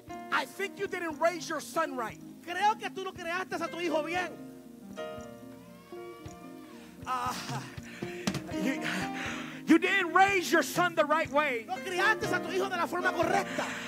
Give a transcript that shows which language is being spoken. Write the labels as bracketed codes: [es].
[en] I think you didn't raise your son right. [es] Creo que tú no creaste a tu hijo bien. [en] You didn't raise your son the right way. [es] No criaste a tu hijo de la forma correcta.